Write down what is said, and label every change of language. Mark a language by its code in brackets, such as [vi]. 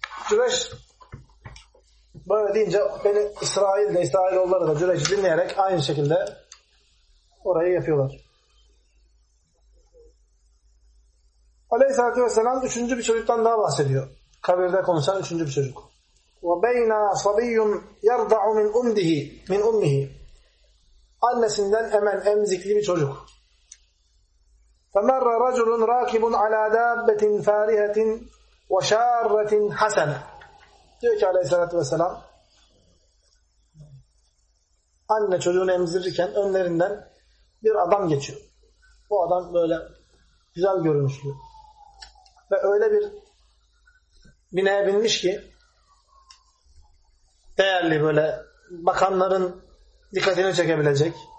[tr] Cüreş böyle deyince beni İsrail de İsrailoğulları da Cüreş'i dinleyerek aynı şekilde orayı yapıyorlar. Aleyhisselatü Vesselam üçüncü bir çocuktan daha bahsediyor. Kabirde konuşan üçüncü bir çocuk. [ar] وَبَيْنَا صَبِيٌّ يَرْضَعُ مِنْ اُمْدِهِ مِنْ اُمِّهِ [tr] annesinden emen, emzikli bir çocuk. [ar] فَمَرَّ رَجُلٌ رَاكِبٌ عَلَى دَابَّةٍ فَارِهَةٍ وَشَارَّةٍ حَسَنًا [tr] diyor ki Aleyhisselatü Vesselam anne çocuğunu emzirirken önlerinden bir adam geçiyor. Bu adam böyle güzel görünüşlü. Ve öyle bir bineğe binmiş ki değerli böyle bakanların dikkatini çekebilecek.